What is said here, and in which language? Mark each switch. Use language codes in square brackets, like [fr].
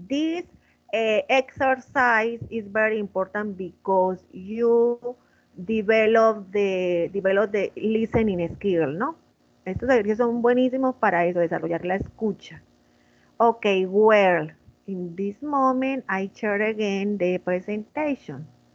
[en] This exercise is very important because you develop the listening skill, ¿no? [es] Estos ejercicios son buenísimos para eso, desarrollar la escucha. [en] Okay, well, in this moment, I share again the presentation.